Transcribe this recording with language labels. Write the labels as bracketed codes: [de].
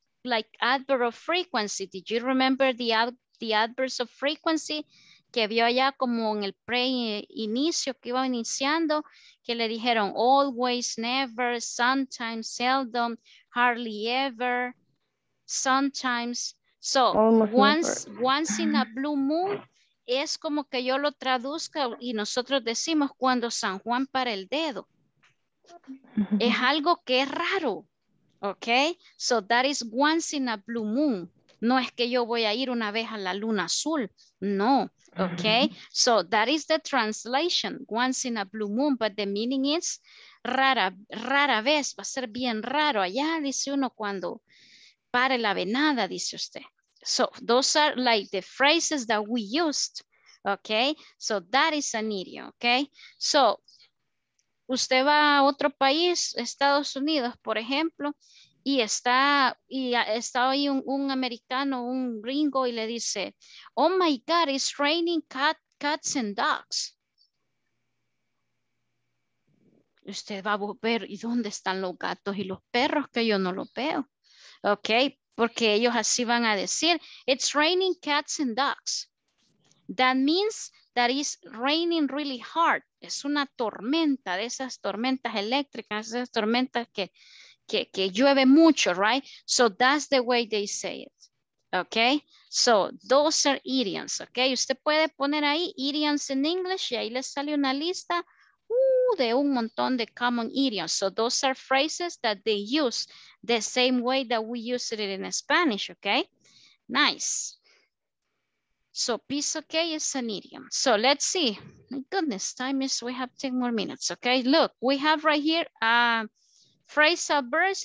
[en] like adverb of frequency. Did you remember the adverbs of frequency [es] que vio allá como en el pre-inicio que iba iniciando, que le dijeron [en] always, never, sometimes, seldom, hardly ever, sometimes. So once in a blue moon [es] es como que yo lo traduzca y nosotros decimos cuando San Juan para el dedo. Es algo que es raro. [en] Okay, so that is once in a blue moon. [es] No es que yo voy a ir una vez a la luna azul. No, okay. [en] So that is the translation, once in a blue moon. But the meaning is [es] rara vez. Va a ser bien raro allá, dice uno, cuando pare la venada, dice usted. [en] So those are like the phrases that we used. Okay, so that is an idiom. [es] Okay, so usted va a otro país, Estados Unidos, por ejemplo, y está ahí un americano, un gringo, y le dice, [en] oh my God, it's raining cats and dogs. [es] Usted va a ver, ¿y dónde están los gatos y los perros? Que yo no los veo. Ok, porque ellos así van a decir, [en] it's raining cats and dogs. That means that it's raining really hard. [es] Es una tormenta, de esas tormentas eléctricas, esas tormentas que llueve mucho, [en] right? So that's the way they say it, okay? So those are idioms, okay? [es] Usted puede poner ahí [en] idioms in English [es] y ahí le sale una lista de un montón de common idioms. [en] So those are phrases that they use the same way that we use it in Spanish, okay? Nice. So piece of cake is an idiom. So let's see. My goodness, time is, we have 10 more minutes. Okay, look, we have right here phrasal verbs.